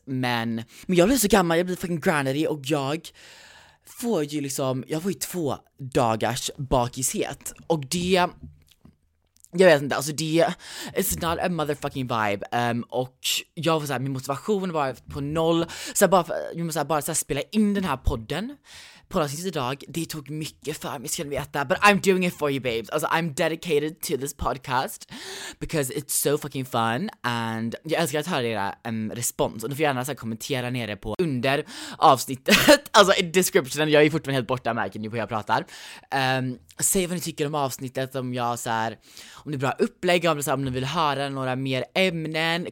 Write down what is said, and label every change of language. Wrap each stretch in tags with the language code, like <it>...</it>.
<sv>Men jag blir så gammal, jag blir</sv> <en>fucking granny.</en> <sv>Och jag får ju liksom, jag får ju 2 dagars bakishet. Och det, jag vet inte, alltså det,</sv> <en>it's not a motherfucking vibe.</en> <sv>Och jag var såhär, min motivation var på noll. Så jag måste bara såhär spela in den här podden på den sista dag. Det tog mycket för mig, ska ni veta.</sv> <en>But I'm doing it for you babes. Alltså I'm dedicated to this podcast because it's so fucking fun.</en> <sv>And jag älskar att höra era respons. Och ni får gärna såhär kommentera nere på under avsnittet. Alltså i descriptionen, jag är fortfarande helt borta, märker ni på hur jag pratar. Säg vad ni tycker om avsnittet, om jag så här, om det är bra upplägg, om, det, så här, om ni vill höra några mer ämnen.</sv>